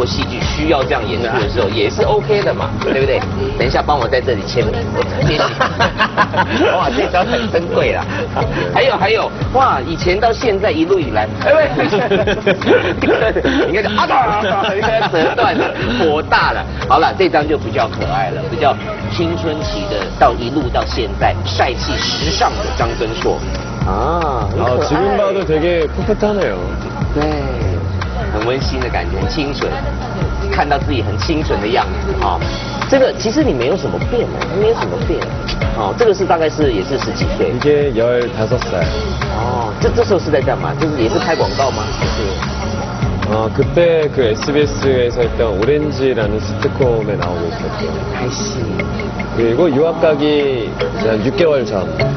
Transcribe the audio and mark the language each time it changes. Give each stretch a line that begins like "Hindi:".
Chinese: 对，一个好的演员呢，你真的碰到一个电影或戏剧需要这样演出的时候，也是 OK 的嘛，对不对？等一下帮我在这里签名，我直接写。哇，这张很珍贵啦。还有，哇，以前到现在一路以来，你看，啊，折断了，火大了。好了，这张就比较可爱了，比较青春期的，到一路到现在，帅气时尚的张根硕。啊，然后
Korean: 지금봐도 되게 풋풋하네요.
Chinese: 对，很温馨的感觉，清纯，看到自己很清纯的样子啊。这个其实你没有什么变，没有什么变。哦，这个是大概是也是十几岁。
Korean: 이제 15살。
Chinese: 哦，这时候是在干嘛？就是也是拍广告吗？是。啊，
Korean: 그때 그 SBS에서 했던 오렌지라는 시트콤에 나오고 있었죠. 아이씨. 그리고 유학 가기 6개월 전.